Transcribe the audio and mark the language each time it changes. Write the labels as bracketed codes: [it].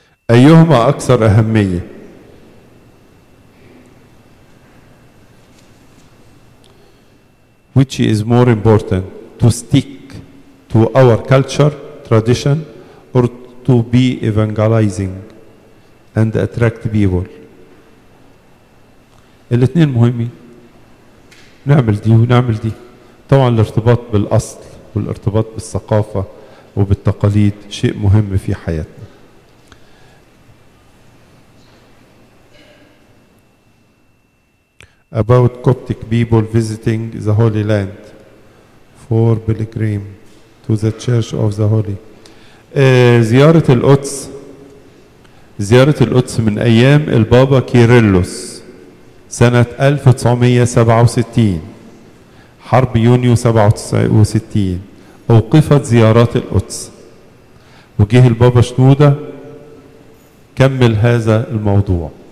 [ar] أيهما أكثر أهمية؟ [en] Which is more important, to stick to our culture, tradition, or to be evangelizing and attract people? [ar] الاثنين مهمين، نعمل دي ونعمل دي. طبعا الارتباط بالأصل والارتباط بالثقافة وبالتقاليد شيء مهم في حياتنا. [en] About Coptic people visiting the Holy Land for pilgrim to the Church of the Holy. [ar] زيارة القدس، زيارة القدس من أيام البابا كيريلوس سنة 1967، حرب يونيو 67 أوقفت زيارات القدس، وجه البابا شنودة كمل هذا الموضوع.